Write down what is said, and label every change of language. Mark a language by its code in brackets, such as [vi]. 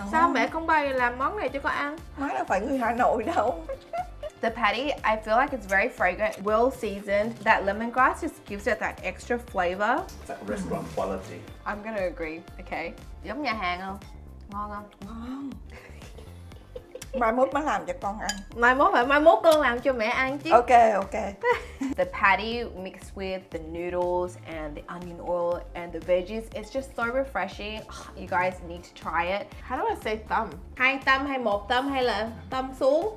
[vi] Sao mẹ không bao giờ làm món này cho con ăn? Nói là phải người Hà Nội đâu. [en] The patty, I feel like it's very fragrant, well seasoned. That lemongrass just gives it that extra flavor. It's like restaurant quality. I'm gonna agree, okay? [vi] Giống nhà hàng không? Ngon không? Ngon. Mai mốt mới làm cho con ăn. Mai mốt phải, mai mốt con làm cho mẹ ăn chứ. Ok, ok. [en] The patty mixed with the noodles and the onion oil and the veggies, it's just so refreshing. You guys need to try it. How do I say thumb? [vi] Hai thumb hay một thumb hay là thumb xuống?